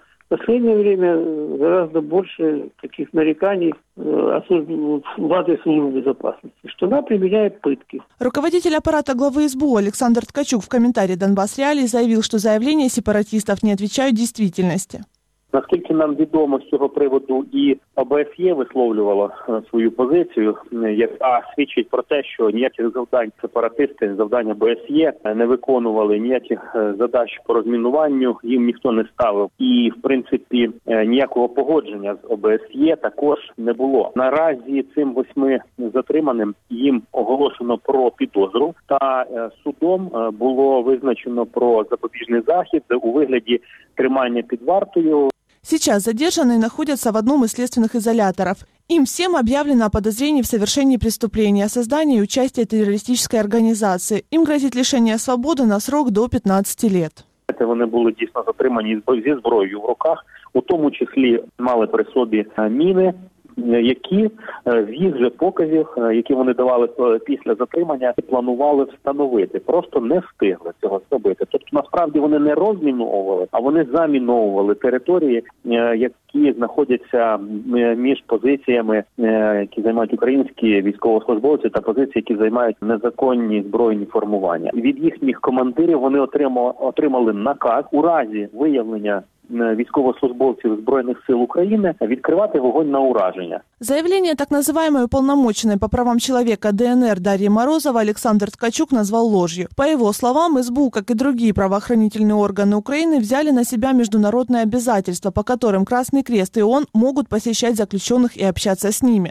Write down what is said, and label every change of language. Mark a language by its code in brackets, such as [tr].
[ru] Но в последнее время гораздо больше таких нареканий в адрес службы безопасности, что она применяет пытки. Руководитель аппарата главы СБУ Александр Ткачук в комментарии «Донбасс Реалии» заявил, что заявления сепаратистов не отвечают действительности. [uk] Наскільки нам відомо з цього приводу, і ОБСЄ висловлювало свою позицію, яка свідчить про те, що ніяких завдань сепаратисти, завдання ОБСЄ не виконували, ніяких задач по розмінуванню їм ніхто не ставив. І, в принципі, ніякого погодження з ОБСЄ також не було. Наразі цим 8 затриманим їм оголошено про підозру, та судом було визначено про запобіжний захід у вигляді тримання під вартою. [ru] Сейчас задержанные находятся в одном из следственных изоляторов. Им всем объявлено о подозрении в совершении преступления, создании и участии террористической организации. Им грозит лишение свободы на срок до 15 лет. [uk] Это они были действительно затриманы с оружием в руках, в том числе мали при собі міни, які з їх же показів, які вони давали після затримання, планували встановити. Просто не встигли цього зробити. Тобто, насправді, вони не розміновували, а вони заміновували території, які знаходяться між позиціями, які займають українські військовослужбовці, та позиції, які займають незаконні збройні формування. Від їхніх командирів вони отримали наказ у разі виявлення військовослужбовців Збройних сил України відкривати вогонь на ураження. [ru] Заявление так называемой уполномоченной по правам человека ДНР Дарьи Морозова Александр Ткачук назвал ложью. По его словам, СБУ, как и другие правоохранительные органы Украины, взяли на себя международные обязательства, по которым Красный Крест и ООН могут посещать заключенных и общаться с ними.